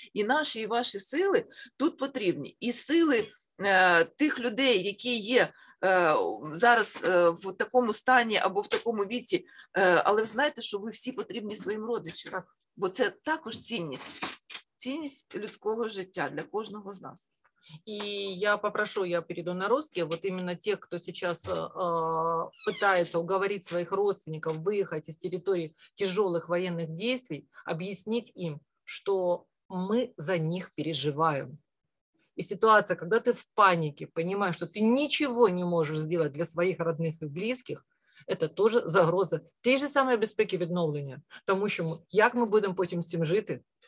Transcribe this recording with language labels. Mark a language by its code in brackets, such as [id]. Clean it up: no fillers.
[uk] І наші, і ваші сили тут потрібні. І сили тих людей, які є зараз в такому стані або в такому віці. Але знаєте, що ви всі потрібні своїм родичам. Так. Бо це також цінність. Цінність людського життя для кожного з нас. [ru] И я перейду на русский, вот именно тех, кто сейчас пытается уговорить своих родственников выехать из территории тяжелых военных действий, объяснить им, что мы за них переживаем. И ситуация, когда ты в панике, понимаешь, что ты ничего не можешь сделать для своих родных и близких, это тоже загроза. Те же самые [uk] безпеки відновлення, тому що як ми будемо потім з цим жити?